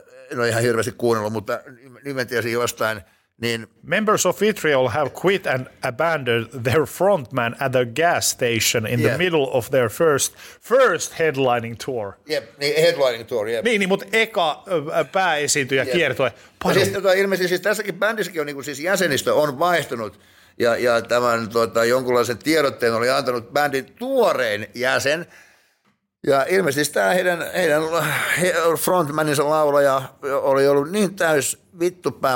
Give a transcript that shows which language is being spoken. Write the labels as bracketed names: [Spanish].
[Finnish] En ole ihan hirveästi kuunnellut, mutta nimen tiesin jostain. Niin, [English] members of Vitriol have quit and abandoned their frontman at the gas station in the middle of their first headlining tour. Headlining tour. [Finnish] Niin, mutta eka pääesiintyjä kiertue. Siis, ilmeisesti siis tässäkin bändissäkin on, niin siis jäsenistö on vaihtunut ja tämän jonkunlaisen tiedotteen oli antanut bändin tuorein jäsen, Ja ilmeisesti tämä heidän frontmaninsa laulaja oli ollut niin täys vittupää.